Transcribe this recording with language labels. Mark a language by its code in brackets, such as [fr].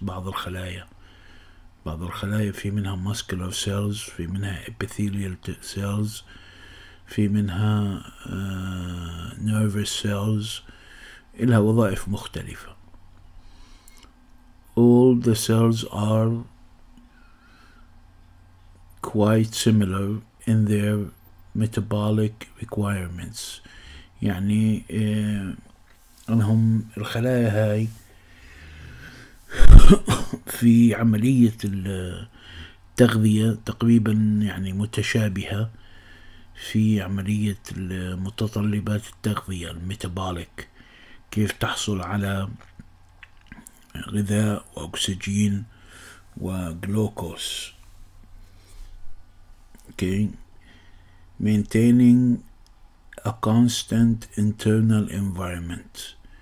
[ar] بعض الخلايا في منها muscular cells, في منها epithelial cells, في منها nervous cells, لها وظائف مختلفة. [en] All the cells are quite similar in their metabolic requirements. [ar] يعني أنهم الخلايا هاي في عملية التغذية تقريبا يعني متشابهة في عملية متطلبات التغذية الميتابوليك, كيف تحصل على غذاء وأكسجين وجلوكوس. [en] Okay. Maintaining a constant internal environment.